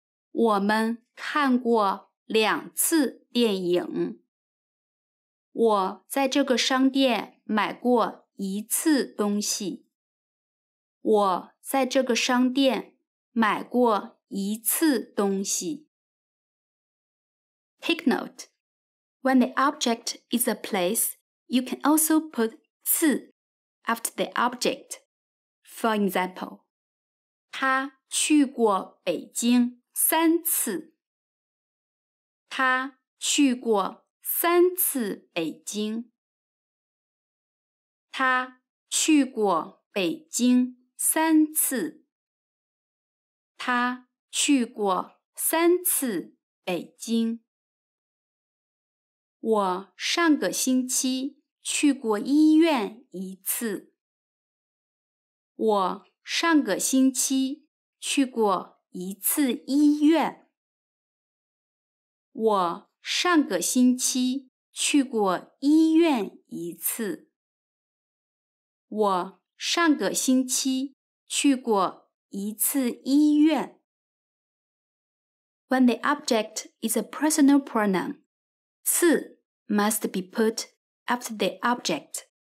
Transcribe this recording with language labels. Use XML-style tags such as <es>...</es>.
<zh>我们看过两次电影。我在这个商店买过一次东西。我在这个商店买过一次东西。</zh> <en>Take note. When the object is a place, you can also put 次 after the object. For example,</en> <zh>他去过北京三次。他去过三次北京。他去过北京。三次，他去过三次北京。我上个星期去过医院一次。我上个星期去过一次医院。我上个星期去过医院一次。我上个星期去过一次医院。</zh> <en>When the object is a personal pronoun, 次 must be put after the object.</en>